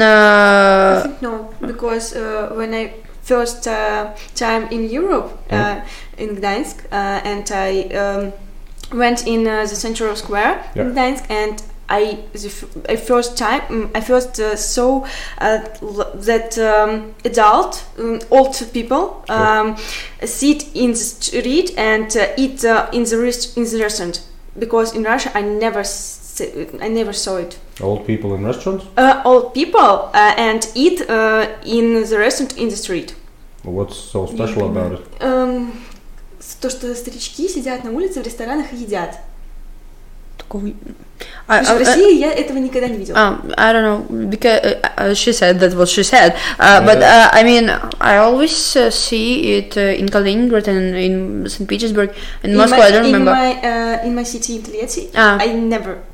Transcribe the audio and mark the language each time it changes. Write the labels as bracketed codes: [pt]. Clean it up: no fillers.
[en] I think no, because when I first time in Europe, in Gdańsk, and I went in the central square in Gdańsk, and I first saw that adult old people sit in the street and eat in the restaurant, because in Russia I never saw it. Old people in restaurants? Old people and eat in the restaurant in the street. What's so special about it? [ru] То что старички сидят на улице в ресторанах и едят. [en] I don't know, because she said that what she said, but I mean, I always see it in Kaliningrad and in St. Petersburg, in Moscow, I don't remember. In my city in Tbilisi, I never